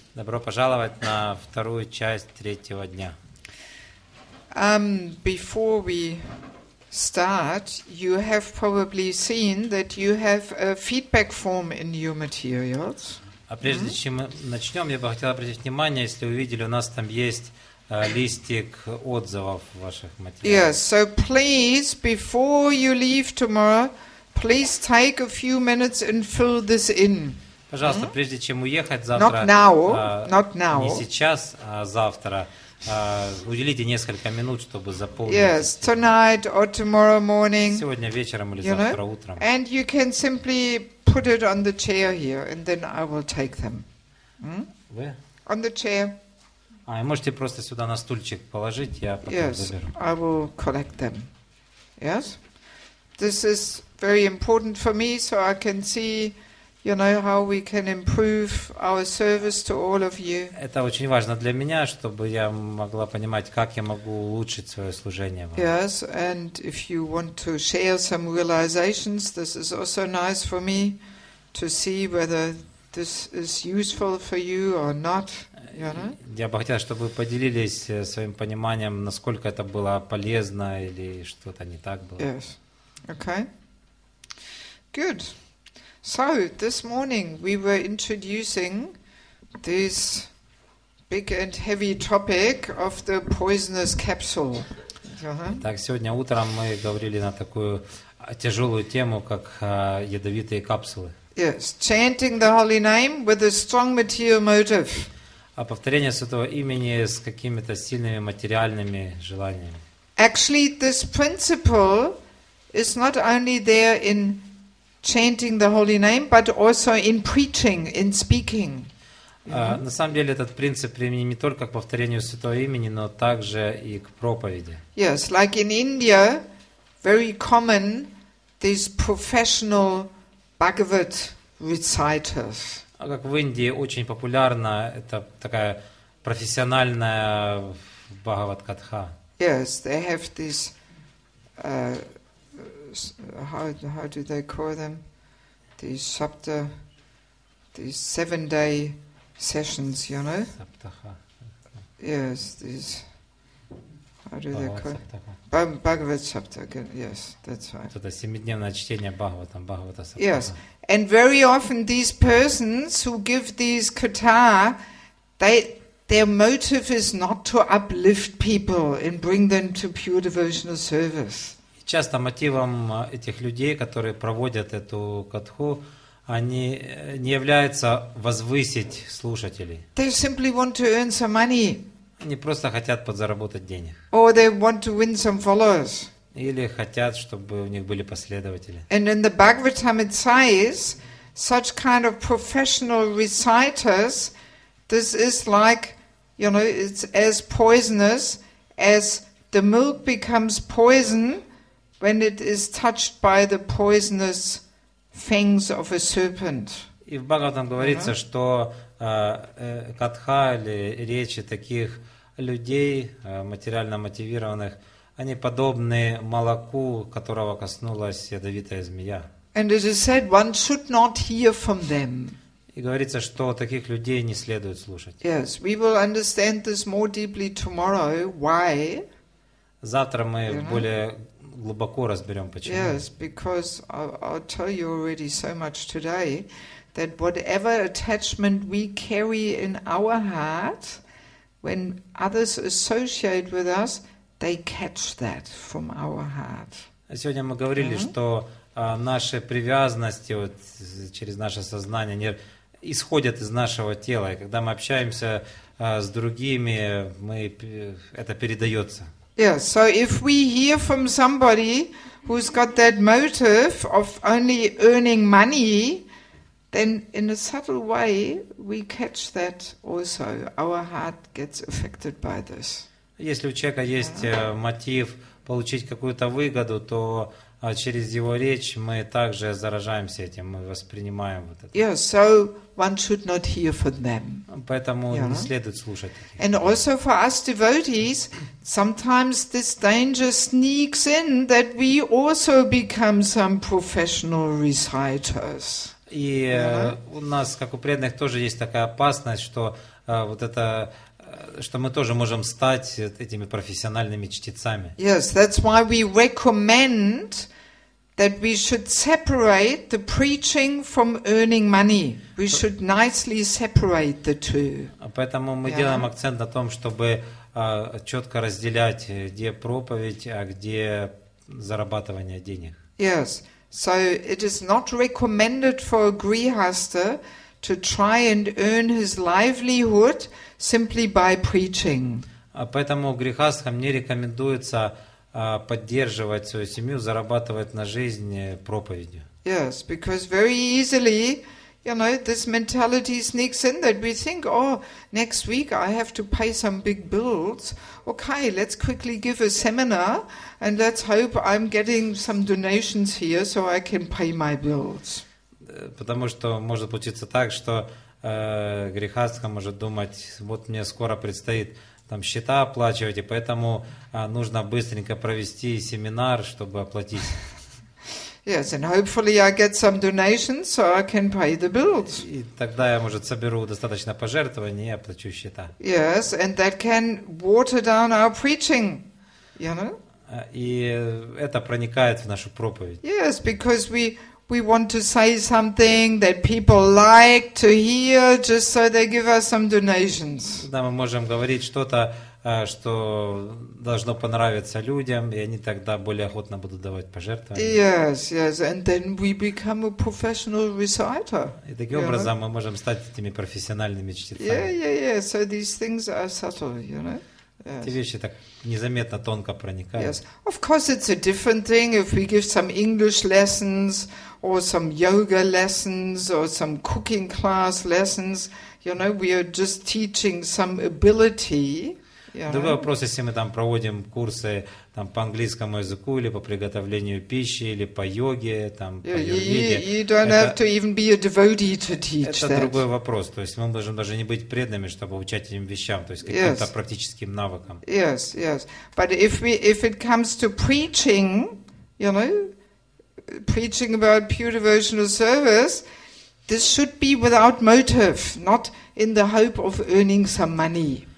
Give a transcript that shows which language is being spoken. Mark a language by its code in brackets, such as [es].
[ru] Добро пожаловать на вторую часть третьего дня. [en] Before we start, you have probably seen that you have a feedback form in your materials. [ru] А прежде чем мы начнем, я бы хотел обратить внимание, если вы видели, у нас там есть листик отзывов ваших материалов. [en] Yes, so please, before you leave tomorrow, please take a few minutes and fill this in. [ru] Пожалуйста, прежде чем уехать завтра, [en] not now. [ru] Не сейчас, а завтра. Уделите несколько минут, чтобы заполнить. [en] Yes, tonight or tomorrow morning. [ru] Сегодня вечером или завтра утром. [en] And you can simply put it on the chair here, and then I will take them. Where? On the chair. [ru] А, и можете просто сюда на стульчик положить, я потом заберу. [en] Yes, I will collect them. Yes, this is very important for me, so I can see, you know, how we can improve our service to all of you. [ru] Это очень важно для меня, чтобы я могла понимать, как я могу улучшить свое служение. [en] Yes, and if you want to share some realizations, this is also nice for me to see whether this is useful for you or not. [ru] Я бы хотел, чтобы вы поделились своим пониманием, насколько это было полезно или что-то не так было. [en] Yes. Okay. Good. So this morning we were introducing this big and heavy topic of the poisonous capsule. [ru] Так сегодня утром мы говорили на такую тяжелую тему, как ядовитые капсулы. [en] Yes, chanting the holy name with a strong material motive. [ru] А повторение святого имени с какими-то сильными материальными желаниями. [en] Actually, this principle is not only there in chanting the holy name, but also in preaching, in speaking. [ru] На самом деле этот принцип применим не только к повторению святого имени, но также и к проповеди. [en] Yes, like in India, very common these professional Bhagavad reciters. [ru] А как в Индии очень популярна эта такая профессиональная Бхагават-катха. [en] Yes, they have this. How do they call them? These sapta, these 7-day sessions, you know? [ru] Саптаха. [en] Yes, Bhagavad sapta. Yes, that's right. [ru] Это семидневное чтение Бхагаватам, Бхагавата сапта. [en] Yes, and very often these persons who give these katha, their motive is not to uplift people and bring them to pure devotional service. [ru] Часто мотивом этих людей, которые проводят эту катху, они не являются возвысить слушателей. [en] They simply want to earn some money. [ru] Они просто хотят подзаработать денег. [en] Or they want to win some followers. [ru] Или хотят, чтобы у них были последователи. [en] And in the Bhagavatam it says, such kind of professional reciters, this is like, you know, it's as poisonous as the milk becomes poison when it is touched by the poisonous fangs of a serpent. [ru] И в Бхагаватам говорится, что катха или речи таких людей, материально мотивированных, они подобны молоку, которого коснулась ядовитая змея. [en] And it is said, one should not hear from them. [ru] И говорится, что таких людей не следует слушать. [en] Yes, we will understand this more deeply tomorrow. Why? [ru] Завтра мы более глубоко разберем, почему. [en] Yes, because I'll tell you already so much today that whatever attachment we carry in our heart, when others associate with us, they catch that from our heart. [ru] Сегодня мы говорили, что наши привязанности вот, через наше сознание не исходят из нашего тела, и когда мы общаемся с другими, мы это передается. [en] Yeah, so if we hear from somebody who's got that motive of only earning money, then in a subtle way we catch that also. Our heart gets affected by this. [ru] Если у человека есть мотив получить какую-то выгоду, то через его речь мы также заражаемся этим, мы воспринимаем вот это. [en] Yeah, so one should not hear from them. [ru] Поэтому не следует слушать таких. [en] And also for us devotees, sometimes this danger sneaks in that we also become some professional reciters. [ru] И у нас, как у преданных, тоже есть такая опасность, что вот это, что мы тоже можем стать этими профессиональными чтецами. [en] Yes, that's why we recommend that we should separate the preaching from earning money. We should nicely separate the two. [ru] Поэтому мы делаем акцент на том, чтобы четко разделять, где проповедь, а где зарабатывание денег. [en] Yes, so it is not recommended for a grihastha to try and earn his livelihood simply by preaching. [ru] Поэтому грехастхам не рекомендуется поддерживать свою семью, зарабатывать на жизнь проповедью. [en] Yes, because very easily, you know, this mentality sneaks in that we think, oh, next week I have to pay some big bills. Okay, let's quickly give a seminar and let's hope I'm getting some donations here so I can pay my bills. [ru] Потому что может получиться так, что грехастха может думать, вот мне скоро предстоит там счета оплачивать, и поэтому нужно быстренько провести семинар, чтобы оплатить. [en] Yes, and hopefully I get some donations so I can pay the bills. [ru] И тогда я, может, соберу достаточно пожертвований и оплачу счета. [en] Yes, and that can water down our preaching, you know? [ru] И это проникает в нашу проповедь. [en] Yes, because we want to say something that people like to hear just so they give us some donations. [ru] Да, мы можем говорить что-то, что должно понравиться людям, и они тогда более охотно будут давать пожертвования. [en] Yes, yes, and then we become a professional reciter. [ru] И таким образом мы можем стать этими профессиональными чтецами. [en] Yeah, so these things are subtle, you know. Yes. [ru] Эти вещи так незаметно, тонко проникают. [en] Yes, of course it's a different thing if we give some English lessons or some yoga lessons or some cooking class lessons. You know, we are just teaching some ability. [ru] Другой вопрос, если мы там проводим курсы там по английскому языку или по приготовлению пищи или по йоге, там по аюрведе. [en] You don't have to even be a devotee to teach that. [ru] Это другой вопрос. То есть мы можем даже не быть преданными, чтобы учить этим вещам, то есть каким-то практическим навыкам. [en] Yes, yes. But if it comes to preaching, you know, preaching about pure devotional service, this should be without motive, not in the hope of earning some money.